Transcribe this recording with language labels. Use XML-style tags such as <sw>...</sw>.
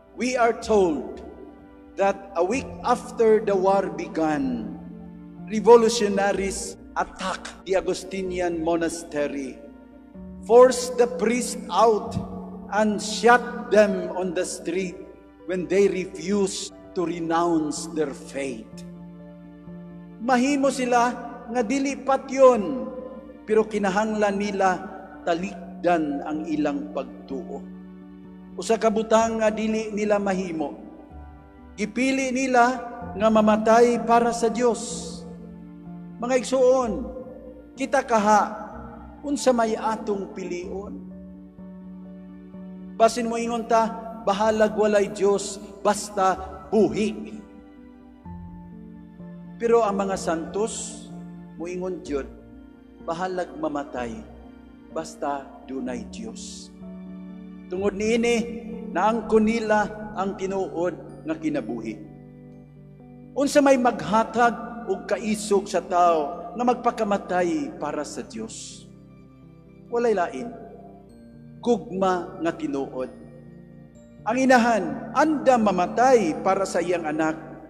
<en>We are told that a week after the war began, revolutionaries attacked the Agustinian monastery, forced the priests out, and shot them on the street when they refused to renounce their faith.</en> <ceb>Mahimo sila nga dili patyon, pero kinahanglan nila talikdan ang ilang pagtuo. Usa ka butang nga dili nila mahimo, gipili nila nga mamatay para sa Dios. Mga igsoon, kita kaha unsa may atong pilion? Basin mo ingon ta, bahalag walay Dios basta buhi. Pero ang mga santos mo ingon jud, bahalag mamatay basta dunay Dios. Tungod niini, naangkon nila ang tinuod nga kinabuhi. Unsa may maghatag ug kaisog sa tao na magpakamatay para sa Dios? Walay lain, gugma nga tinuod. Ang inahan, anda mamatay para sa iyang anak,</ceb>